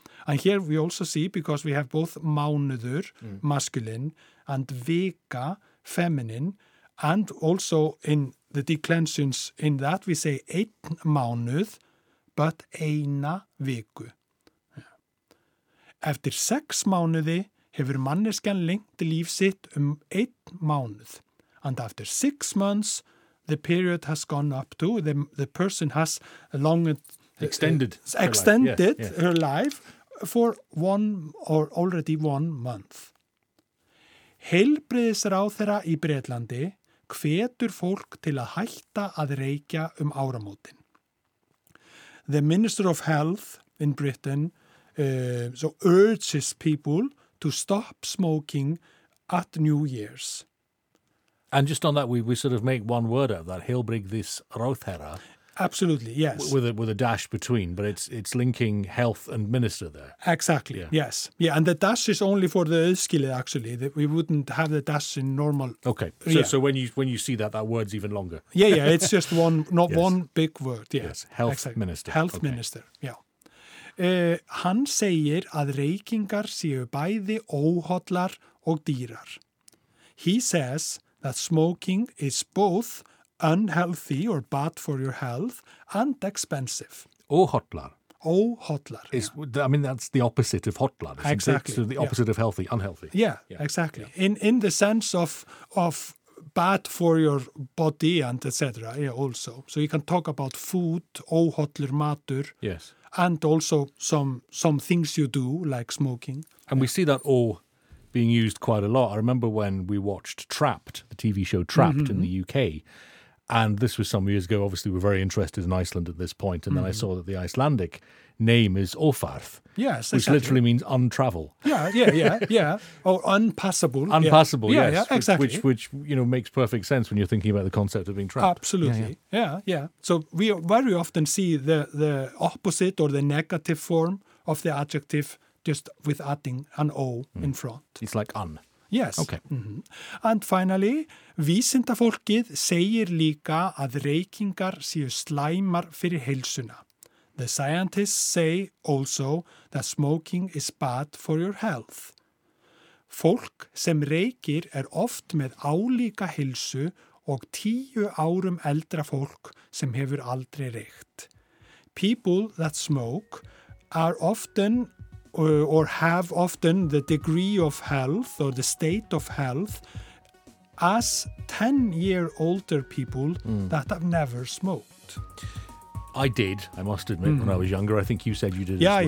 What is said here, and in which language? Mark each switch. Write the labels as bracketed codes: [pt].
[en] And here we also see, because we have both mánuður, masculine, and vika, feminine, and also in the declensions in that, we say 1 mánuð, but 1 viku. [is] Eftir 6 mánuði hefur manneskjan lengt líf sitt 1 mánuð. [en] And after 6 months, the period has gone up to, the person has longed, extended her life. Her life for 1 or already 1 month. [is] Heilbrigðisráðherra í Bretlandi hvetur fólk til að hætta að reykja áramótin. [en] The Minister of Health in Britain so urges people to stop smoking at New Year's. And just on that, we sort of make one word out of that, Heilbrigðisráðherra. Absolutely, yes. With a dash between, but it's linking health and minister there. Exactly, yes. Yeah, and the dash is only for the skill, actually. We wouldn't have the dash in normal... Okay, so when you see that word's even longer. Yeah, it's just one, not yes. One big word. Yeah. Yes, health exactly. Minister. Health okay. Minister, yeah. [is] Hann segir að reykingar séu bæði óhollar og dýrar. [en] He says that smoking is both unhealthy or bad for your health and expensive. [is] Óhollar. Óhollar. [en] Yeah. I mean, that's the opposite of hotlar. Exactly. It? So the opposite of healthy, unhealthy. Yeah, exactly. Yeah. In the sense of bad for your body and etc. Yeah, also. So you can talk about food, [is] óhollur matur. [en] Yes. And also some things you do, like smoking. And we see that being used quite a lot. I remember when we watched Trapped, the TV show Trapped in the UK, and this was some years ago. Obviously, we're very interested in Iceland at this point, and then I saw that the Icelandic name is Ófarth, yes, which exactly. Literally means untravel. Yeah. Or unpassable. Unpassable, yeah. Yes. Yeah, exactly. Which you know, makes perfect sense when you're thinking about the concept of being trapped. Absolutely. Yeah. So we very often see the opposite or the negative form of the adjective just with adding an O in front. It's like un. Yes. Okay. [is] And finally, vísindafólkið segir líka að reykingar séu slæmar fyrir heilsuna. [en] The scientists say also that smoking is bad for your health. [is] Fólk sem reykir oft með álíka heilsu og 10 árum eldra fólk sem hefur aldrei reykt. [en] People that smoke are often... or have often the degree of health or the state of health as 10-year older people that have never smoked. I did, I must admit, when I was younger. I think you said you did as well.